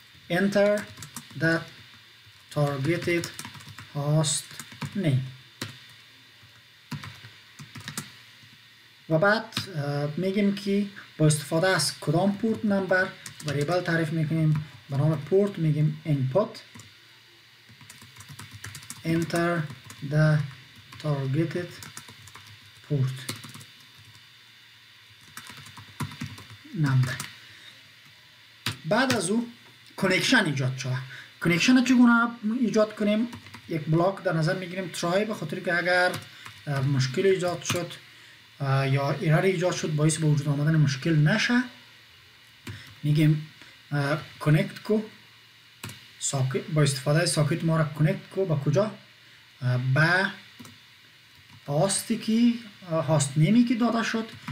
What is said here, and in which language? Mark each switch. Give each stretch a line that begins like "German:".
English: Enter the targeted host name.
Persian: و بعد میگیم که با استفاده از کدام پورت نمبر، وریبل تعریف میکنیم به نام پورت، میگیم input.
English: Enter the targeted port number.
Persian: بعد از او کنکشن ایجاد شده. کنکشن چگونه ایجاد کنیم؟ یک بلاک در نظر میگیریم try، به خاطر که اگر مشکل ایجاد شد یا ایرر ایجاد شد باعث به وجود آمدن مشکل نشه، میگیم connect کو ساکت، با استفاده ساکت ما را connect کو با کجا؟ به هاستی که هاست نیمی که داده شد.